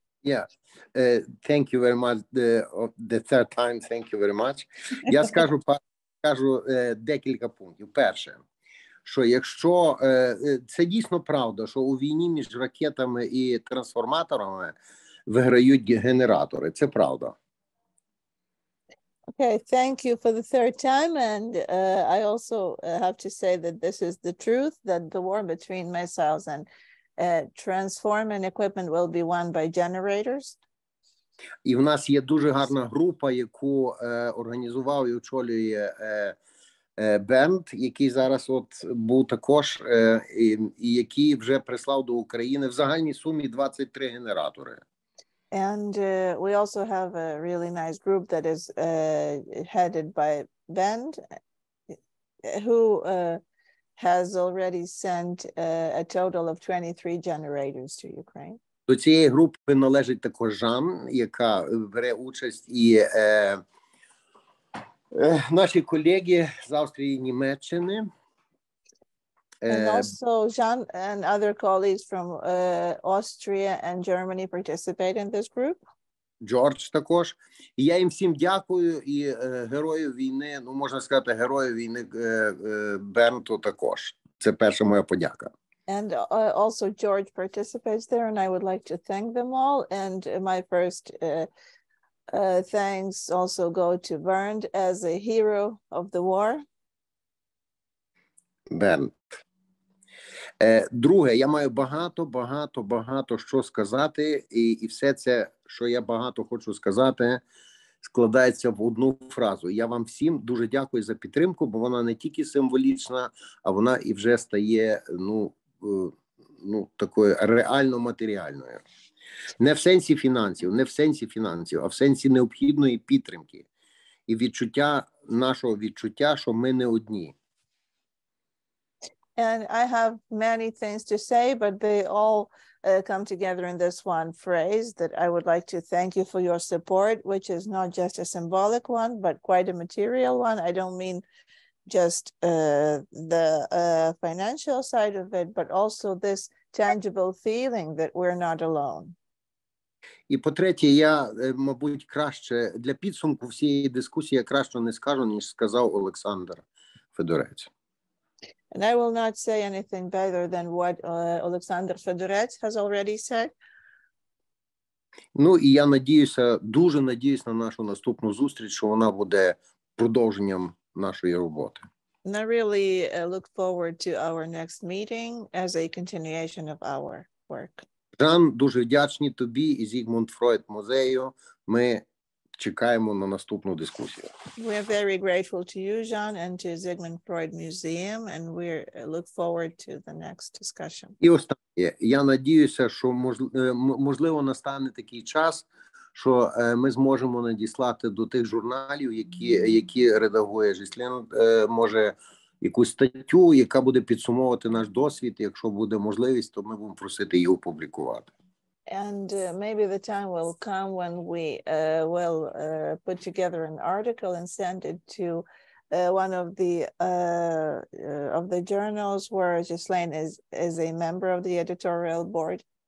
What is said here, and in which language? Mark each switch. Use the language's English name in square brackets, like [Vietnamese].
[English] Yeah, thank you very much. The third time, thank you very much. [Ukrainian] Я скажу декілька пунктів. Перше, що якщо це дійсно правда, що у війні між ракетами і трансформаторами виграють генератори, це правда. [English] Okay, thank you for the third time, and I also have to say that this is the truth, that the war between missiles and transforming equipment will be won by generators. [Ukrainian] І в нас є дуже гарна група, яку організував і очолює Бенд, який зараз от був також, і який вже прислав до України в загальній сумі 23 генератори. [English] And we also have a really nice group that is headed by Bend, who has already sent a total of 23 generators to Ukraine. [Ukrainian] До цієї групи належить також Жан, яка бере участь і наші колеги з Австрії і Німеччини. And also Jean and other colleagues from Austria and Germany participate in this group. Джордж також. І я їм всім дякую, і герою війни, ну можна сказати, герою війни Бернту також. Це перша моя подяка. [English] And also George participates there, and I would like to thank them all. And my first thanks also go to Bernd as a hero of the war. Bernd. [Ukrainian] Друге, я маю багато, багато, багато що сказати, і все це, що я багато хочу сказати, складається в одну фразу. Я вам всім дуже дякую за підтримку, бо вона не тільки символічна, а вона і вже стає, ну, такою реально матеріальною. Не в сенсі фінансів, не в сенсі фінансів, а в сенсі необхідної підтримки і відчуття нашого відчуття, що ми не одні. [English] And I have many things to say, but they all come together in this one phrase that I would like to thank you for your support, which is not just a symbolic one, but quite a material one. I don't mean just the financial side of it, but also this tangible feeling that we're not alone. [Ukrainian] І по-третє, я, мабуть, краще для підсумку всієї дискусії я краще не скажу, ніж сказав Олександр Федорець. [English] And I will not say anything better than what Oleksandr Fedorets has already said. [Ukrainian] Ну, і я надіюся, дуже надіюся на нашу наступну зустріч, що вона буде продовженням нашої роботи. [English] And I really look forward to our next meeting as a continuation of our work. [Ukrainian] Жан, дуже вдячні тобі і SigmundFreudMuseum. Ми чекаємо на наступну дискусію. [English] We are very grateful to you, Jean, and to Sigmund Freud Museum, and we look forward to the next discussion. [Ukrainian] І останнє. Я надіюся, що можливо настане такий час, що ми зможемо надіслати до тих журналів, які редагує Жіслін, може якусь статтю, яка буде підсумовувати наш досвід, якщо буде можливість, то ми будемо просити її опублікувати. [English] And maybe the time will come when we will put together an article and send it to one of the journals where Ghislaine is a member of the editorial board.